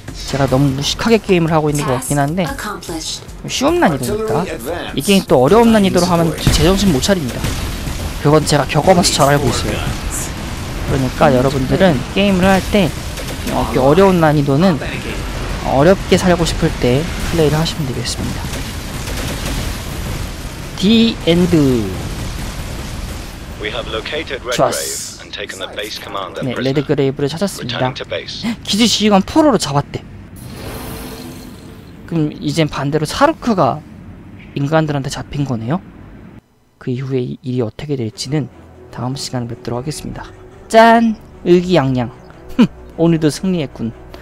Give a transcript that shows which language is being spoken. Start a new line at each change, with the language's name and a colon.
Korean: 제가 너무 무식하게 게임을 하고 있는 것 같긴 한데 쉬운 난이도니까 이 게임 또 어려운 난이도로 하면 제정신 못 차립니다. 그건 제가 겪어봐서 잘 알고 있어요. 그러니까 여러분들은 게임을 할 때 어려운 난이도는 어렵게 살고 싶을 때 플레이를 하시면 되겠습니다.
English: The End. We have located Redgrave and taken the base commander.
Korean: 네, 레드그레이브를 찾았습니다. 기지 지휘관 프로로 잡았대. 그럼 이젠 반대로 사르크가 인간들한테 잡힌 거네요? 그 이후에 일이 어떻게 될지는 다음 시간에 뵙도록 하겠습니다. 짠! 의기양양. 오늘도 승리했군.